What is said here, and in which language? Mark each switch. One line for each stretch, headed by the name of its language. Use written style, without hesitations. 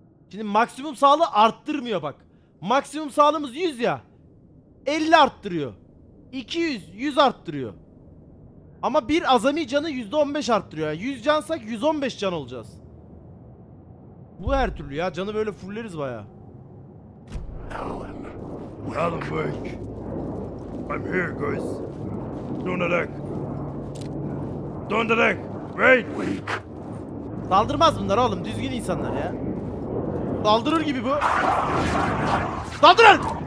Turkish: Şimdi maksimum sağlığı arttırmıyor bak. Maksimum sağlığımız 100 ya. 50 arttırıyor. 200, 100 arttırıyor. Ama bir azami canı %15 arttırıyor. Yani 100 cansak 115 can olacağız. Bu her türlü ya. Canı böyle fulleriz baya.
English: Alan. Alan Wake. I'm here guys. Don't attack.
Turkish: Döndürek.
English: Wait. Wait.
Turkish: Daldırmaz bunlar oğlum. Düzgün insanlar ya. Daldırır gibi bu. Daldırır.